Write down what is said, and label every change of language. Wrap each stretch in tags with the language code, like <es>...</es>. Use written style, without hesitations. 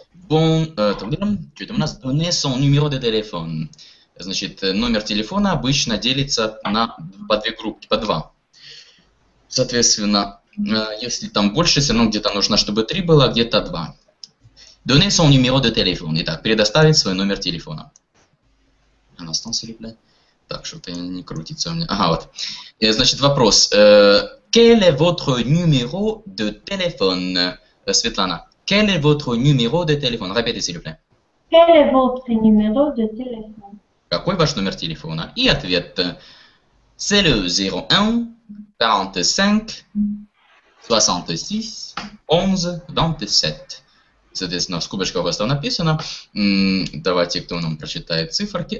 <fr>Bon, tu as nous donné son numéro de téléphone.</fr> <ru>Значит, номер телефона обычно делится на по две группы, по два. Соответственно, если там больше, все равно где-то нужно, чтобы три было, а где-то два.</ru> <fr>Donnez son numéro de téléphone.</fr> <ru>Итак, предоставить свой номер телефона. Она осталась, ребят. Так, что-то не крутится у меня. Ага, вот. Значит, вопрос.</ru> <fr>Quel est votre numéro de téléphone? Светлана, quel est votre numéro de téléphone? Répétez, s'il vous plaît. Quel est votre numéro de téléphone?</fr> <ru>Какой ваш номер телефона? И ответ.</ru> <fr>C'est le 01 45 66 11 27.</fr> <ru>Соответственно, в скобочках у вас там написано. Давайте, кто нам прочитает циферки.</ru>